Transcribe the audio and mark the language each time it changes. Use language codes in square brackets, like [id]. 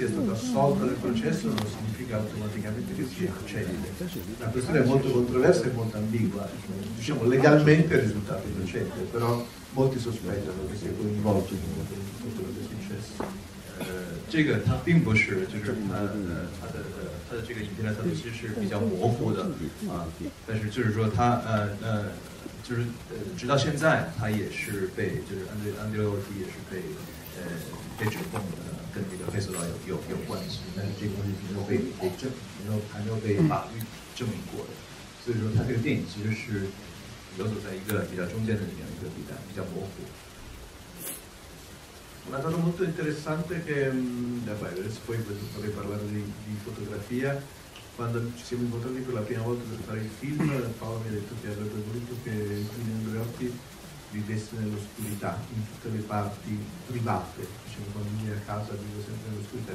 [it] Assolto nel processo non significa automaticamente che si accede. La questione è molto controversa e molto ambigua. Diciamo legalmente il risultato è innocente, però molti sospettano che sia coinvolto in quello che è successo. [zh] 这个他并不是，就是他的这个影片的态度其实是比较模糊的啊，但是就是说他就是直到现在他也是被就是安德烈沃提也是被指控的。跟这个黑手党有关系，但是这个东西没有被法律证明过的，所以说他这个电影其实是游走在一个比较中间的这样一个地带，比较模糊。 Una cosa molto interessante che adesso poi potrei parlare di fotografia. Quando ci siamo incontrati per la prima volta per fare il film, Paolo mi ha detto che avrebbe voluto che Andreotti vivesse nell'oscurità in tutte le parti private, diciamo, quando viene a casa vive sempre nell'oscurità.